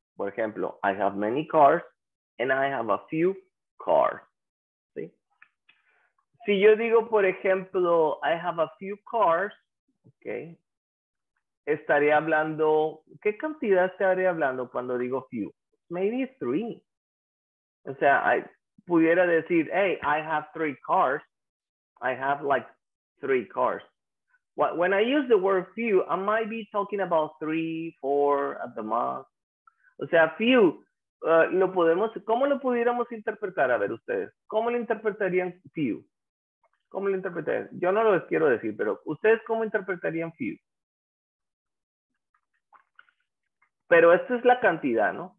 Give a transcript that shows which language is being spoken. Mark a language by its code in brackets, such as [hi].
[es] Por ejemplo, [en] I have many cars. And I have a few cars. [es] ¿Sí? Si yo digo, por ejemplo, [en] I have a few cars, okay, [es] estaría hablando, ¿qué cantidad estaría hablando cuando digo few? [en] Maybe 3. [es] O sea, [en] I [es] pudiera decir, [en] hey, I have 3 cars. I have like 3 cars. When I use the word few, I might be talking about 3, 4 at the most. [es] O sea, few. Lo podemos, ¿cómo lo pudiéramos interpretar? A ver ustedes, ¿cómo lo interpretarían few? ¿Cómo lo interpretarían? Yo no lo quiero decir, pero ¿ustedes cómo interpretarían few? Pero esta es la cantidad, ¿no?